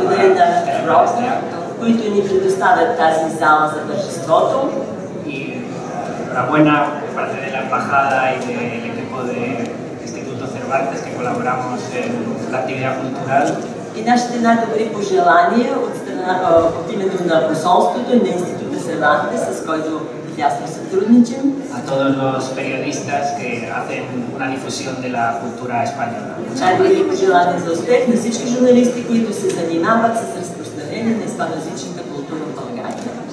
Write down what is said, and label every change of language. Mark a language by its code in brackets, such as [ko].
[es] para [bg] които ни предоставят тази зала за тържеството. [es] И enhorabuena por parte de la embajada y del equipo de Instituto Cervantes que colaboramos en la actividad cultural. [bg] И нашите най-добри пожелания от страна от името на посолството и на Института Cervantes, с който тясно сътрудничим. [es] A todos los periodistas que hacen una difusión de la cultura española. [bg] Най-добри пожелания за успех на всички журналисти, които се занимават с на испаназичната култура в България.